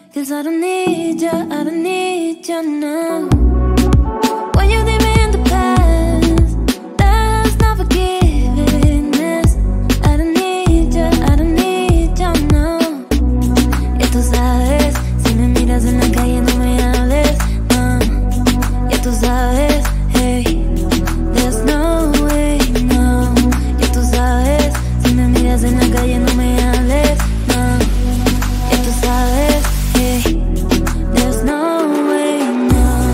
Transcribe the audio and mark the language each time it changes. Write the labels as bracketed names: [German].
[English] I don't need ya, I don't need ya now. When you leave me in the past, that's not forgiveness. I don't need ya, I don't need ya now. [Spanish] Y tú sabes, si me miras en la calle no me hables, no. Y tú sabes, [English] hey, there's no way, no. [Spanish] Y tú sabes, si me miras en la calle no me hables, no. Y tú sabes, [English] hey, there's no way now.